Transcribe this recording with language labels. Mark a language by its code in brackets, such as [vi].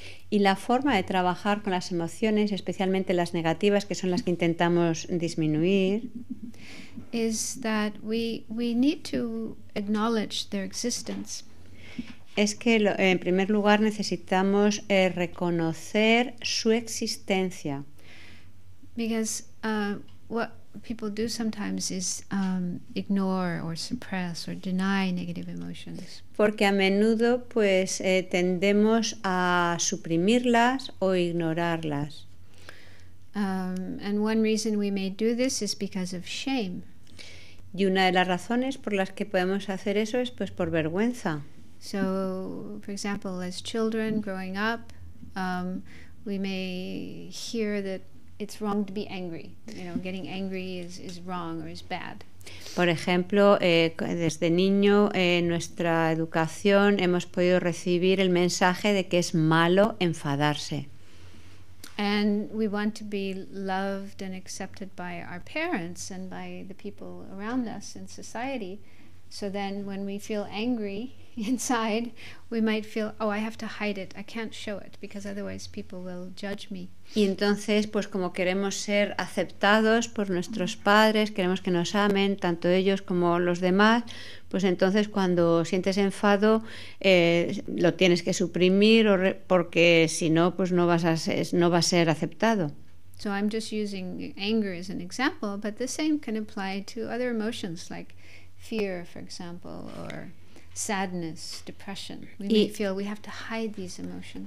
[es] Y la forma de trabajar con las emociones, especialmente las negativas, que son las que intentamos disminuir, [en] is that we need to acknowledge their existence. [es] Es que en primer lugar necesitamos reconocer su existencia. [en] Because what people do sometimes is ignore or suppress or deny negative emotions. [es] Porque a menudo pues tendemos a suprimirlas o ignorarlas. [en] And one reason we may do this is because of shame. [es] Y una de las razones por las que podemos hacer eso es pues por vergüenza. [en] So, for example, as children growing up, we may hear that it's wrong to be angry. You know, getting angry is wrong or is bad. [es] Por ejemplo, desde niño, en nuestra educación hemos podido recibir el mensaje de que es malo enfadarse. [en] And we want to be loved and accepted by our parents and by the people around us in society. So then when we feel angry inside, we might feel, oh, I have to hide it, I can't show it, because otherwise people will judge me. [es] Y entonces, pues como queremos ser aceptados por nuestros padres, queremos que nos amen, tanto ellos como los demás, pues entonces cuando sientes enfado, lo tienes que suprimir, porque si no, pues no va a ser aceptado. [en] So I'm just using anger as an example, but the same can apply to other emotions like fear, for example, or sadness, depression. We may feel we have to hide these emotions.